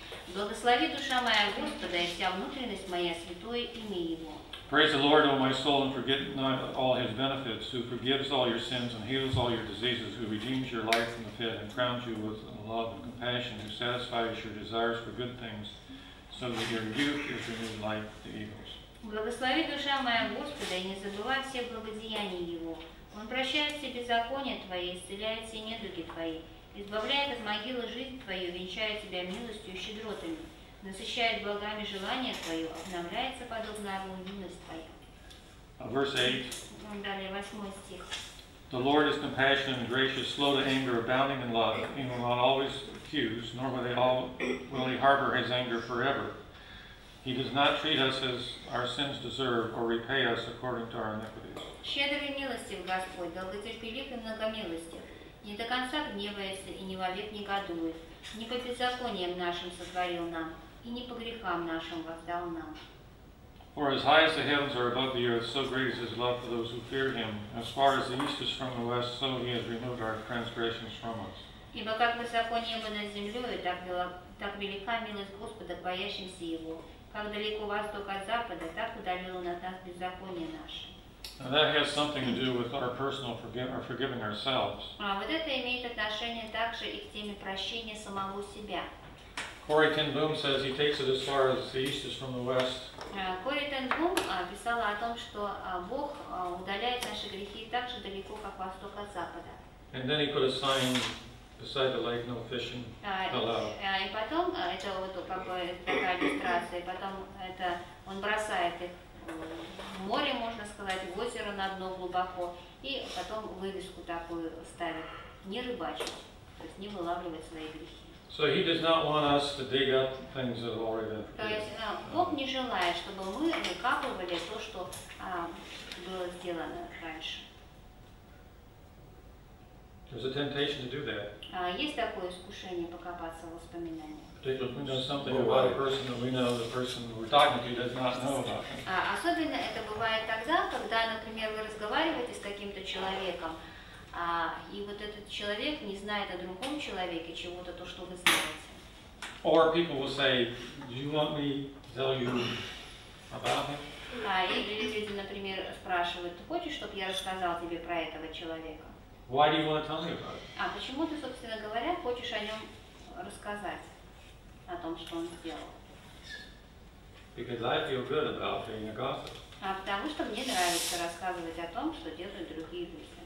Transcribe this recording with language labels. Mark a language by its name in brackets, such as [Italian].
[English] Praise the Lord, O my soul, and forget not all His benefits, who forgives all your sins and heals all your diseases, who redeems your life from the pit and crowns you with love and compassion, who satisfies your desires for good things, so that your youth is renewed like the eagles. [Russian] Благослови, душа моя, Господа, и не забывай все благодеяния Его. Он прощает все беззакония Твои, исцеляет все недуги Твои, избавляет от могилы жизнь Твою, венчает Тебя милостью и щедротами, насыщает благами желание Твое, обновляется подобно огню милость Твоя. [English] Verse [Russian] 8. Далее, 8 стих. [English] The Lord is compassionate and gracious, slow to anger, abounding in love. He will not always accuse, nor will, will he harbor his anger forever. He does not treat us as our sins deserve or repay us according to our iniquities. [Russian] Щедрый милостив Господь, долготерпелив и многомилостив, не до конца гневается и не вовек негодует, не по беззакониям нашим сотворил нам, и не по грехам нашим воздал нам. [English] For as high as the heavens are above the earth, so great is His love for those who fear Him. As far as the east is from the west, so He has removed our transgressions from us. [Russian] Ибо как высоко небо над землей, так велика милость Господа к боящимся Его. Как далеко восток от запада, так удалил Он от нас беззаконие наше. [English] Now that has something to do with our personal forgiving ourselves. [Russian] А вот это имеет отношение также и к теме прощения самого себя. [English] Corrie ten Boom says he takes it as far as the east is from the west. [Russian] Corrie ten Boom писала о том, что Бог удаляет наши грехи так же далеко, как восток от запада. [English] And then he put a sign beside the lake, no fishing allowed. [Russian] И потом это вот как бы такая иллюстрация, потом это он бросает их в море, можно сказать, в озеро на дно глубоко, и потом вывеску такую ставит: не рыбачить, то есть не вылавливать свои грехи. [English] So he does not want us to dig up things that have already been forgiven. [Russian] То есть Бог не желает, чтобы мы выкапывали то, что было сделано раньше. [English] There's a temptation to do that. [Russian] Есть такое искушение покопаться в воспоминаниях. [English] Particularly if we know something about a person that we know, the person we're talking to does not know about them. [Russian] Особенно это бывает тогда, когда, например, вы разговариваете с каким-то человеком. И вот этот человек не знает о другом человеке чего-то, то, что вы знаете. [English] Or people will say, do you want me to tell you about him? [Russian] Или люди, например, спрашивают, ты хочешь, чтобы я рассказал тебе про этого человека? [English] Why do you want to tell me about him? [Russian] Почему ты, собственно говоря, хочешь о нем рассказать, о том, что он сделал? [English] Because I feel good about being a gossip. [Russian] Потому что мне нравится рассказывать о том, что делают другие люди.